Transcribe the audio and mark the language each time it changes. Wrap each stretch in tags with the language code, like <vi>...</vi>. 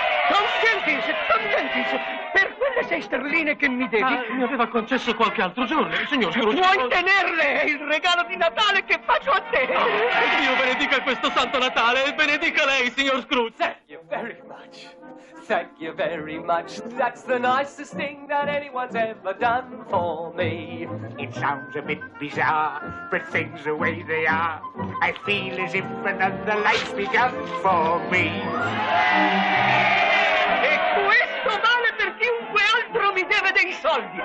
<it>Tom Jenkins, Tom Jenkins, per quelle 6 sterline che mi devi... Ah, mi aveva concesso qualche altro giorno, signor Scrooge. Vuoi tenerle? È il regalo di Natale che faccio a te. Oh, Dio benedica questo santo Natale e benedica lei, signor Scrooge.</it> <en>Thank you very much. Thank you very much. That's the nicest thing that anyone's ever done for me. It sounds a bit bizarre, but things the way they are, I feel as if another life's begun for me.</en> <it>E questo vale per chiunque altro mi deve dei soldi.</it>